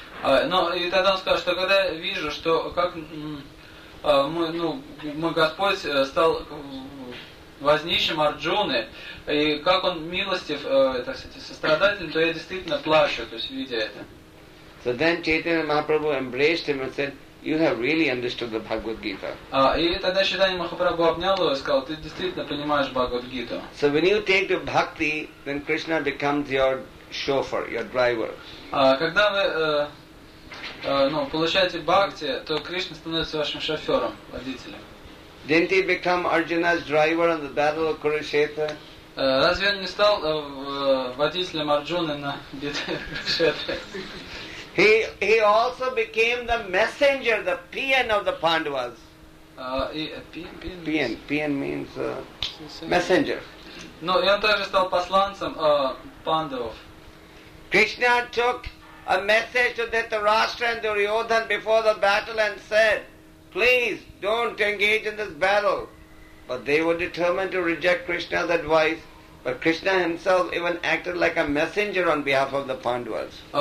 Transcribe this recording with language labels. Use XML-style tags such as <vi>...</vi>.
<ru>Но и тогда он сказал, что когда я вижу, что как мой Господь стал вознищим Арджуны, и как он милостив, так сказать, сострадательный, то я действительно плачу, то есть видя это.</ru> <en>So then Chaitanya Mahaprabhu embraced him and said, "You have really understood the Bhagavad Gita."</en> <ru>И тогда Чайтанья Махапрабху обнял его и сказал, "Ты действительно понимаешь Бхагавад Гиту."</ru> <en>So when you take the bhakti, then Krishna becomes your chauffeur, your driver.</en> <ru>Когда вы получаете бхакти, то Кришна становится вашим шофером, водителем.</ru> <en>Didn't he become Arjuna's driver on the battle of Kurukshetra?</en> <ru>Разве он не стал водителем Арджуны на битве Курукшетры?</ru> <en>He also became the messenger, the PN of the Pandavas. PN means messenger.</en> <ru>Но и он также стал посланцем Пандавов.</ru> <en>Krishna took a message to Dhritarashtra and Duryodhan before the battle and said, "Please don't engage in this battle." But they were determined to reject Krishna's advice. But Krishna himself even acted like a messenger on behalf of the Pandavas.</en>